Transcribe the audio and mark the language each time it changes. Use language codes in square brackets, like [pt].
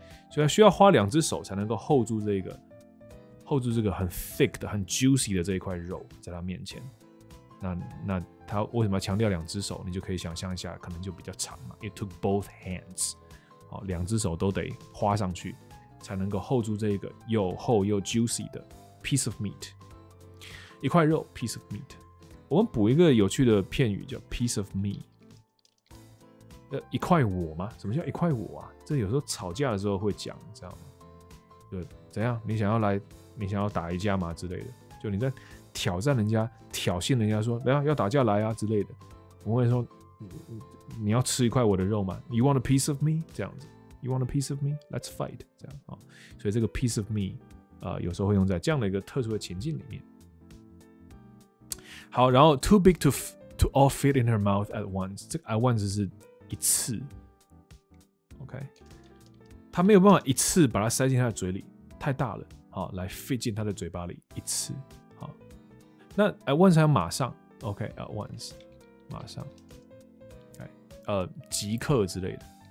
[zh] 所以需要花两只手才能够 hold住这个很 thick 的、很 juicy 的这一块肉在他面前。那他为什么要强调两只手？你就可以想象一下，可能就比较长嘛。 [en] It took both hands， [zh] 好，两只手都得花上去。才能够 hold 住这个又厚又 juicy 的 [en] piece of meat， [zh] 一块肉 piece of meat。我们补一个有趣的片语叫 [en] piece of me， [zh] 一块我吗？什么叫一块我啊？这有时候吵架的时候会讲，知道吗？就怎样？你想要打一架吗之类的？就你在挑战人家、挑衅人家说，来啊，要打架来啊之类的。我会说，你要吃一块我的肉吗 ？ [en] You want a piece of me？ [zh] 这样子。 [en] You want a piece of me? Let's fight. [zh] 这样啊，所以这个 [en] piece of me， [zh] 有时候会用在这样的一个特殊的情境里面。好，然后 [en] too big to all fit in her mouth at once。 [zh] 这个 [en] at once [zh] 是一次 ，OK， 他没有办法一次把它塞进他的嘴里，太大了，好，来 fit 进他的嘴巴里一次，好。那 [en] at once [zh] 还要马上 ，OK， at once， 马上 ，OK， 即刻之类的。